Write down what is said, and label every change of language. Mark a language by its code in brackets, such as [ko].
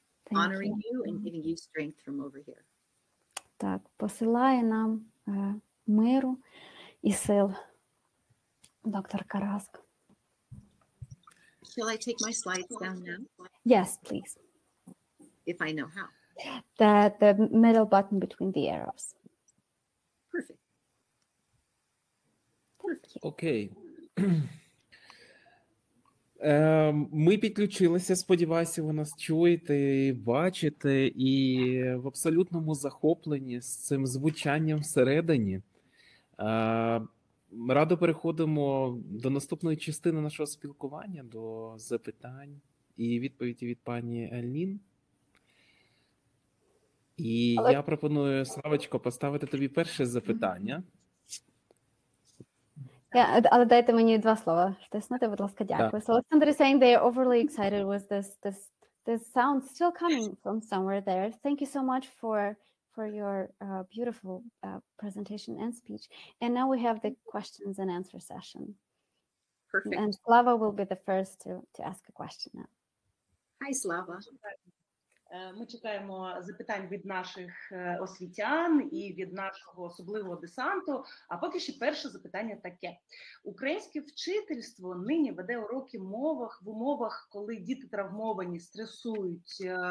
[en] Thank Honoring you and giving you strength from over here. [uk] Так, посилає нам миру і сил [en] Dr. Karask. Shall I take my slides down now? Yes, please. If I know how. The middle button between the arrows. Perfect. [uk] Окей. Ми підключилися, сподіваюся, ви нас чуєте, бачите, і в абсолютному захопленні з цим звучанням всередині. Радо переходимо до наступної частини нашого спілкування, до запитань і відповіді від пані Альнін. І я пропоную, Славочко, поставити тобі перше запитання. Yeah, але дайте мені два слова втиснути, будь ласка, дякую. [en] So Alexander is saying they are overly excited with this sound still coming from somewhere there. Thank you so much for your beautiful presentation and speech. And now we have the questions and answer session. Perfect. And Slava will be the first to ask a question now. Hi, Slava. [uk] Ми чекаємо запитань від наших освітян і від нашого особливого десанту. А поки що перше запитання таке. Українське вчительство нині веде уроки мовах в умовах, коли діти травмовані, стресують.